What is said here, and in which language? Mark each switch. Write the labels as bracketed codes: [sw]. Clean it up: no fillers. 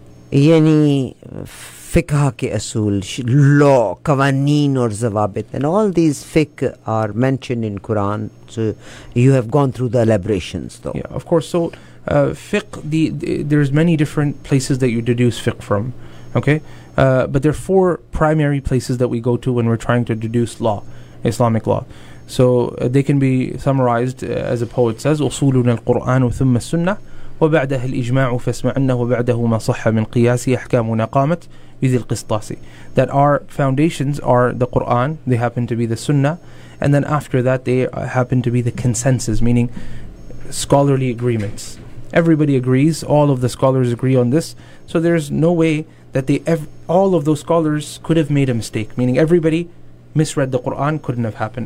[ur] Yani fiqh ke usul, law, qawaneen aur zawabit, [en] and all these fiqh are mentioned in Quran. So you have gone through the elaborations though. Yeah, of course. So fiqh, there's many different places that you deduce fiqh from, okay? But there are four primary places that we go to when we're trying to deduce law, Islamic law. So they can be summarized, as a poet says, [ar] أُصُولُنَا الْقُرْآنُ ثُمَّ السُنَّةِ وَبَعْدَهَا الْإِجْمَاعُ فَاسْمَعْ أَنَّهُ وَبَعْدَهُ مَا صَحَّ مِنْ قِيَاسِ أَحْكَامُنَا قَامَتْ بِذِي الْقِسْطَاسِ. [en] That our foundations are the Qur'an, they happen to be the sunnah, and then after that they happen to be the consensus, meaning scholarly agreements. Everybody agrees, all of the scholars agree on this, so there's no way that all of those scholars could have made a mistake, meaning everybody misread the Qur'an, couldn't have happened.